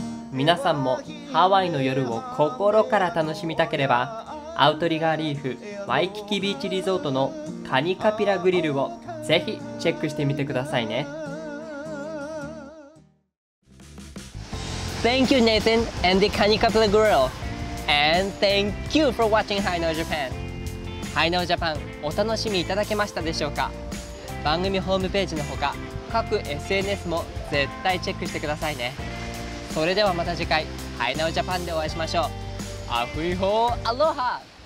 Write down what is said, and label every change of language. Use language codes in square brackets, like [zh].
[ja] みなさんもハワイの夜を心から楽しみたければ、アウトリガーリーフワイキキビーチリゾートのカニカピラグリルをぜひチェックしてみてくださいね。 [en] Thank you, Nathan and the Kani Ka Pila Grille. And thank you for watching ハイナウジャパン。 [ja] ハイナウジャパン、お楽しみいただけましたでしょうか。番組ホームページのほか、各 SNS も絶対チェックしてくださいね。それではまた次回、ハイナウジャパンでお会いしましょう。アフイホーアロハ。